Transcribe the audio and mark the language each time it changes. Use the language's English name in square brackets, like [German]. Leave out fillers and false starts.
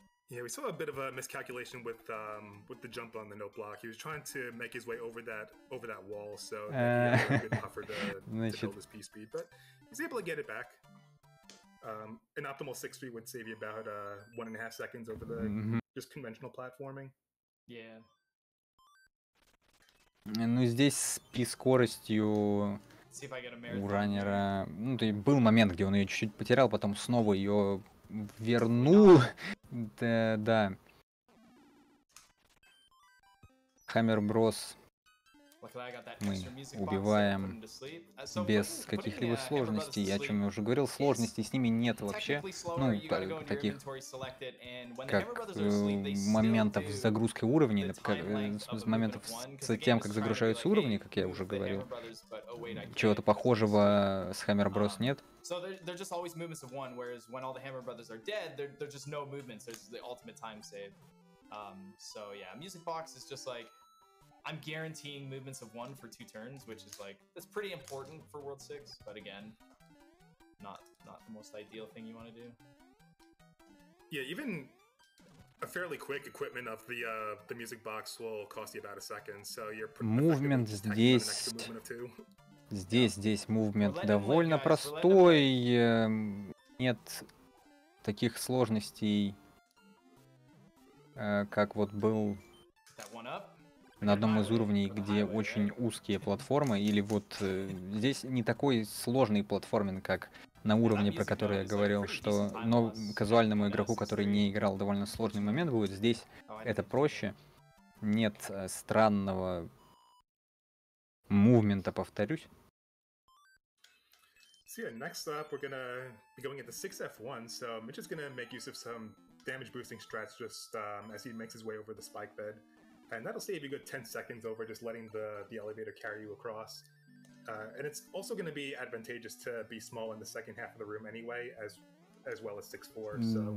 [English] Yeah, we saw a bit of a miscalculation with the jump on the note block. He was trying to make his way over that wall, so he had a good buffer to build his piece speed, but he's able to get it back. An optimal 6 feet would save you about 1.5 seconds over the just conventional platforming. Yeah. [Russian] Ну здесь при скоростью у раннера, ну то есть был момент, где он ее чуть-чуть потерял, потом снова ее вернул. Да, да. Hammer Bros. Мы убиваем без каких-либо сложностей. Я о чем уже говорил, сложностей с ними нет вообще. Ну, таких как моментов с загрузкой уровней, с моментов с тем, как загружаются уровни, как я уже говорил. Чего-то похожего с Hammer Bros нет. [English] So they're just always movements of one, whereas when all the Hammer Brothers are dead, they're just no movements. There's the ultimate time save. So yeah, Music Box is just like, I'm guaranteeing movements of one for two turns, which is like, that's pretty important for World 6, but again, not the most ideal thing you want to do. Yeah, even a fairly quick equipment of the Music Box will cost you about a second, so you're [Russian] movement здесь... Здесь мувмент довольно простой, нет таких сложностей, как вот был на одном из уровней, где очень узкие платформы, или вот здесь не такой сложный платформинг, как на уровне, про который я говорил, что но казуальному игроку, который не играл, довольно сложный момент будет, здесь это проще, нет странного мувмента, повторюсь. [English] Yeah, next up we're gonna be going into 6F1, so Mitch is gonna make use of some damage boosting strats just as he makes his way over the spike bed, and that'll save you a good 10 seconds over just letting the elevator carry you across, and it's also gonna be advantageous to be small in the second half of the room anyway, as well as 6-4, so...